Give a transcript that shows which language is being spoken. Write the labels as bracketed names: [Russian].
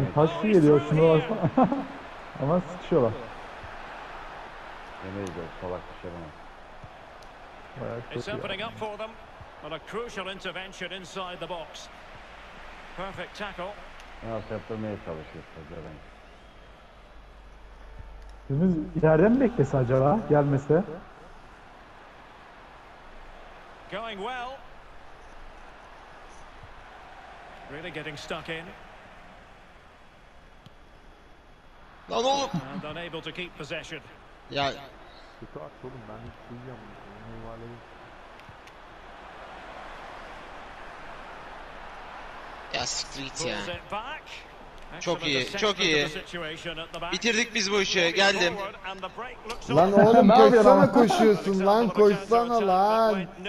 [Turkish] Taş mı geliyor şuna baksana. Ama sıçıyorlar. Yemeyiz o salak bir şey bana. [English] It's opening up for them, but a crucial intervention inside the box. Perfect tackle. [Turkish] Evet, yaptırmaya çalışıyoruz zaten. Dümdüz ileride mi beklese acaba, gelmese? [English] Going well. Really getting stuck in. [Turkish] Lan oğlum! [English] And unable to keep possession. [Turkish] Ya... Kutu aç oğlum, ben hiç duyuyamıyorum. Eyvallah. Ya siktir git ya. Çok iyi, çok iyi. Bitirdik biz bu işi, geldim. Lan oğlum koşsana koşuyorsun lan, koşsana lan.